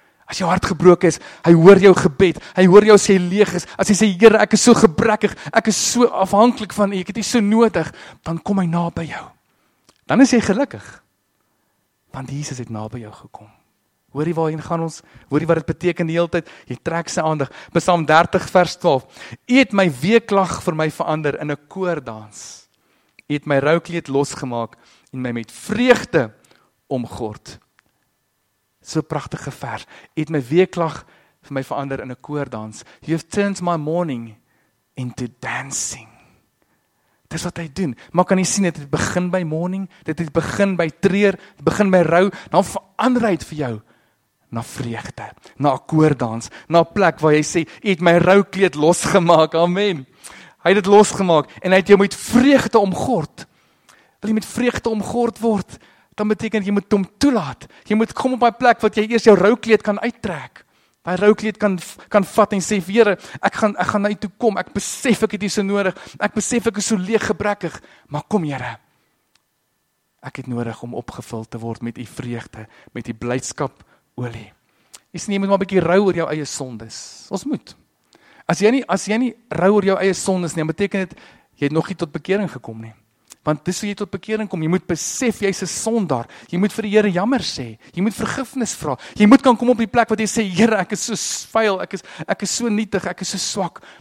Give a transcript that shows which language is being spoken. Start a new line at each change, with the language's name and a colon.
Afrikaans: As jou hart gebroken is, hy hoor jou gebed, hy hoor jou sê leeg is, as hy sê Here, ek is so gebrekkig, ek is so afhanklik van u, ek het u so nodig, dan kom hy naby jou. Dan is jy gelukkig, want Jesus het naby jou gekom. Hoor jy waarheen gaan ons? Hoor jy wat dit beteken die hele tyd? Jy trek sy aandag. Psalm 30 vers 12. U het my weeklag vir my verander in 'n koordans. U het my roukleed losgemaak en my met vreugde omgord. So pragtige vers. U het my weeklag vir my verander in 'n koordans.
English: You have turned my mourning into dancing.
Afrikaans: Dis wat hy doen. Maar kan jy sien dit begin by mourning, dit het begin by treur, dit begin by rou, dan verander hy dit vir jou. Na vreugde, na koordans, na plek waar jy sê, jy het my roukleed losgemaak, amen. Hy het dit losgemaak en hy het jou met vreugde omgord. Wil jy met vreugde omgord word, dan beteken jy moet hom toelaat. Jy moet kom op 'n plek wat jy eers jou roukleed kan uittrek. Daai roukleed kan vat en sê, Here, ek gaan na u toe kom, ek besef ek het u so nodig, ek besef ek is so leeg gebrekkig, maar kom Here. Ek het nodig om opgevul te word met u vreugde, met u blydskap, olie. Is nie, jy moet maar 'n bietjie rou oor jou eie sondes. Ons moet. As jy nie rou oor jou eie sondes nie, beteken dit jy het nog nie tot bekering gekom nie. Want dis hoe jy tot bekering kom. Jy moet besef jy's 'n sondaar. Jy moet vir die Here jammer sê. Jy moet vergifnis vra. Jy moet kan kom op die plek wat jy sê, Here, ek is so vuil, ek is so nietig, ek is so swak.